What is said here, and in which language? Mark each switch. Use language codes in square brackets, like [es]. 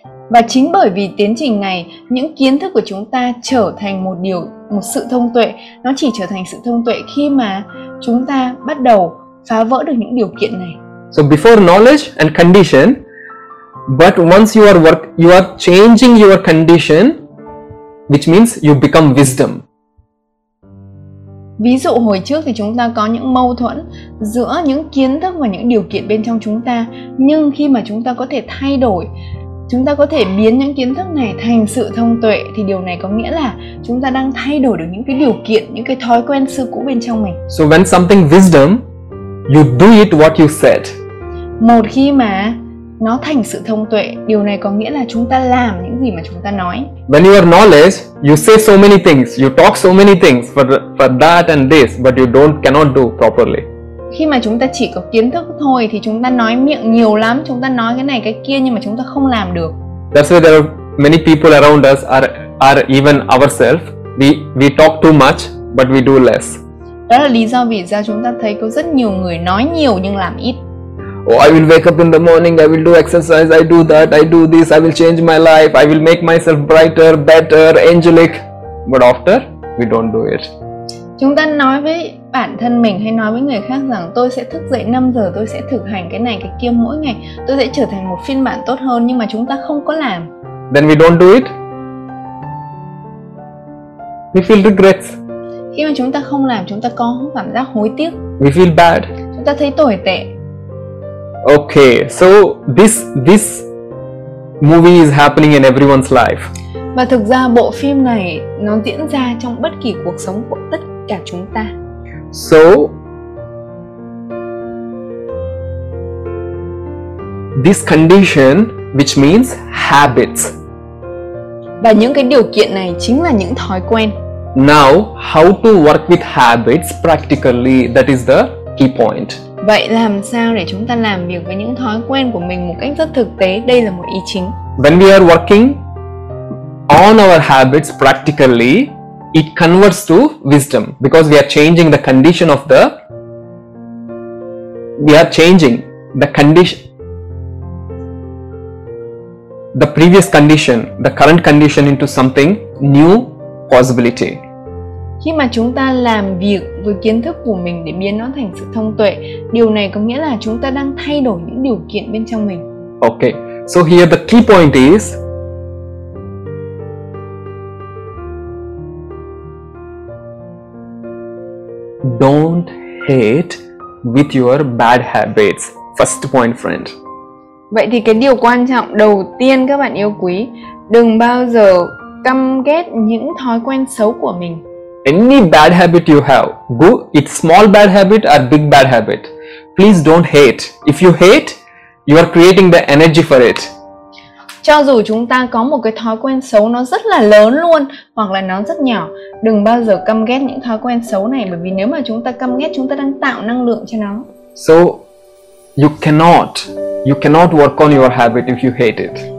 [vi] Và chính bởi vì tiến trình này, những kiến thức của chúng ta trở thành một điều, một sự thông tuệ. Nó chỉ trở thành sự thông tuệ khi mà chúng ta bắt đầu phá vỡ được những điều kiện này. [en] So before knowledge and condition, but once you are changing your condition, which means you become wisdom. [vi] Ví dụ hồi trước thì chúng ta có những mâu thuẫn giữa những kiến thức và những điều kiện bên trong chúng ta. Nhưng khi mà chúng ta có thể thay đổi, chúng ta có thể biến những kiến thức này thành sự thông tuệ, thì điều này có nghĩa là chúng ta đang thay đổi được những cái điều kiện, những cái thói quen xưa cũ bên trong mình. [en] So when something wisdom, you do it what you said. [vi] Một khi mà nó thành sự thông tuệ. Điều này có nghĩa là chúng ta làm những gì mà chúng ta nói. [en] When you are knowledge, you say so many things, you talk so many things for that and this, but you cannot do properly. [vi] Khi mà chúng ta chỉ có kiến thức thôi thì chúng ta nói miệng nhiều lắm, chúng ta nói cái này cái kia nhưng mà chúng ta không làm được. [en] That's why there are many people around us are even ourselves. We talk too much but we do less. [vi] Đó là lý do vì sao chúng ta thấy có rất nhiều người nói nhiều nhưng làm ít. [en] Oh, I will wake up in the morning, I will do exercise, I do that, I do this, I will change my life, I will make myself brighter, better, angelic. But after, we don't do it. [vi] Chúng ta nói với bản thân mình hay nói với người khác rằng tôi sẽ thức dậy 5 giờ, tôi sẽ thực hành cái này cái kia mỗi ngày, tôi sẽ trở thành một phiên bản tốt hơn, nhưng mà chúng ta không có làm. [en] Then we don't do it. We feel regrets. [vi] Khi mà chúng ta không làm, chúng ta có cảm giác hối tiếc. [en] We feel bad. [vi] Chúng ta thấy tồi tệ. [en] Okay, so this movie is happening in everyone's life. [vi] Và thực ra bộ phim này nó diễn ra trong bất kỳ cuộc sống của tất cả chúng ta. [en] So this condition, which means habits. [vi] Và những cái điều kiện này chính là những thói quen. [en] Now, how to work with habits practically? That is the key point. [vi] Vậy làm sao để chúng ta làm việc với những thói quen của mình một cách rất thực tế? Đây là một ý chính. [en] When we are working on our habits practically, it converts to wisdom because we are changing the condition of the. We are changing the condition. The previous condition, the current condition into something new possibility. [vi] Khi mà chúng ta làm việc với kiến thức của mình để biến nó thành sự thông tuệ, điều này có nghĩa là chúng ta đang thay đổi những điều kiện bên trong mình. [en] Okay, so here the key point is don't hate with your bad habits. First point, friend. [vi] Vậy thì cái điều quan trọng đầu tiên các bạn yêu quý, đừng bao giờ căm ghét những thói quen xấu của mình. [en] Any bad habit you have, good, it's small bad habit or big bad habit, please don't hate. If you hate, you are creating the energy for it. [vi] Cho dù chúng ta có một cái thói quen xấu nó rất là lớn luôn hoặc là nó rất nhỏ, đừng bao giờ căm ghét những thói quen xấu này, bởi vì nếu mà chúng ta căm ghét, chúng ta đang tạo năng lượng cho nó. [en] So you cannot work on your habit if you hate it.